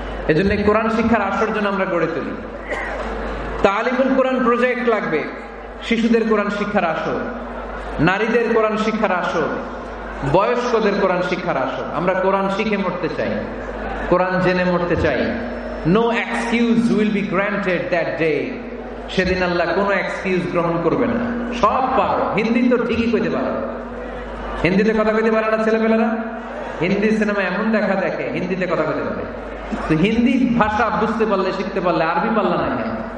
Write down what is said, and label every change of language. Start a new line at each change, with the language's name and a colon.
Bangla: এজন্য কোরআন শিক্ষার আসর জন্য আমরা গড়ে তুলি, তালিমুল কোরআন প্রজেক্ট লাগবে, শিশুদের কোরআন শিক্ষার আসর, নারীদের কোরআন শিক্ষার আসর, বয়স্কদের কোরআন শিক্ষার আসর। আমরা কোরআন শিখে মরতে চাই, কোরআন জেনে মরতে চাই,
English: No excuse will be granted that day.
Bangla: সেদিন আল্লাহ কোনো এক্সকিউজ গ্রহণ করবে না, সব পারো। হিন্দি তো ঠিকই কইতে পারো, হিন্দিতে কথা কইতে পারে না ছেলেপেলারা? হিন্দি সিনেমা এমন দেখা দেখে হিন্দিতে কথা কইতে পারে, তো হিন্দি ভাষা বুঝতে পারলে, শিখতে পারলে আরবি পারলা না কেন?